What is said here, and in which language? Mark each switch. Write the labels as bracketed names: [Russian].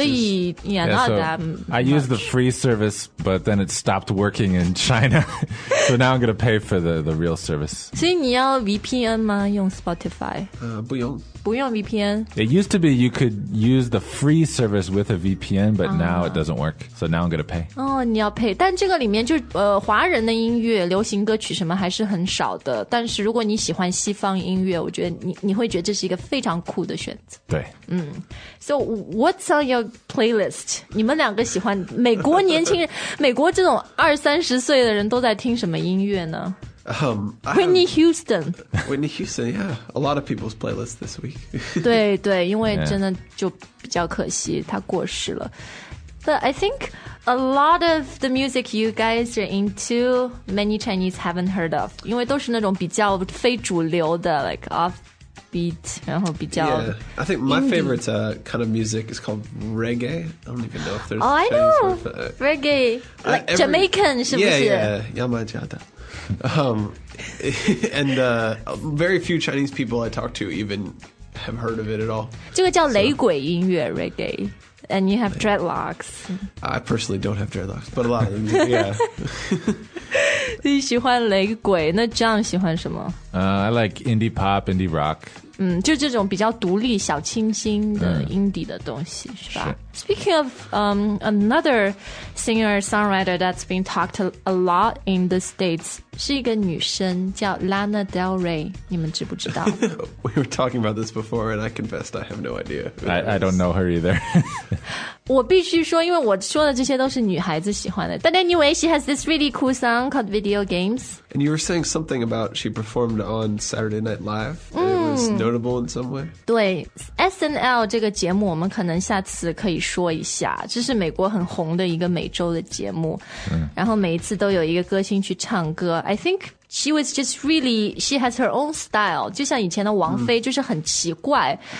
[English] I use the free service, but then it stopped working in China. So now I'm going to pay for the real service. [Chinese] 所以你要 VPN 吗用 Spotify? 不用。不用 VPN? [English] It used to be you could use the free service with a VPN, but now it doesn't work. So now I'm going to pay. [Chinese] 哦、oh, 你要 pay. 但这个里面就是、华人的音乐流行歌曲什么还是很少的。但是如果你喜欢西方音乐我觉得 你会觉得这是一个非常酷的选择。对。 [English] So what's on your playlist? [Chinese] 你们两个喜欢美国年轻人美国这种二三十岁的人都在听什么音乐呢Whitney Houston. [English] Whitney Houston, yeah. A lot of people's playlist this week. [Chinese] 对对因为真的就比较可惜他过世了。 [English] But I think a lot of the music you guys are into, many Chinese haven't heard of. [Chinese] 因为都是那种比较非主流的 [English] like offbeat, [Chinese] 然后比较 [English] Yeah, I think my favorite、kind of music is called reggae. I don't even know if there's a Chinese word for that. Reggae, like Jamaican, [Chinese] 是不是 [English] Yeah, Yamajada. very few Chinese people I talk to even have heard of it at all. [Chinese] 这个叫雷鬼音乐 reggae, [English] and you have dreadlocks. I personally don't have dreadlocks, but a lot of them, yeah. [Chinese] 你喜欢雷鬼，那 John 喜欢什么？ [English] I like indie pop, indie rock. [Chinese] 就这种比较独立、小清新的 indie 的东西，是吧？ [English] Speaking of another singer-songwriter that's been talked a lot in the States, [Chinese] 是一个女生叫 [English] Lana Del Rey, [Chinese] 你们知不知道? [English] We were talking about this before, and I confessed I have no idea. I don't know her either. [Chinese] 我必须说,因为我说的这些都是女孩子喜欢的。 [English] But anyway, she has this really cool song called Video Games. And you were saying something about she performed on Saturday Night Live, and it was notable in some way? [Chinese] 对, SNL 这个节目我们可能下次可以可以说一下，这是美国很红的一个每周的节目，然后每一次都有一个歌星去唱歌。 [English] I think she was just really, she has her own style, [Chinese] 就像以前的王菲就是很奇怪。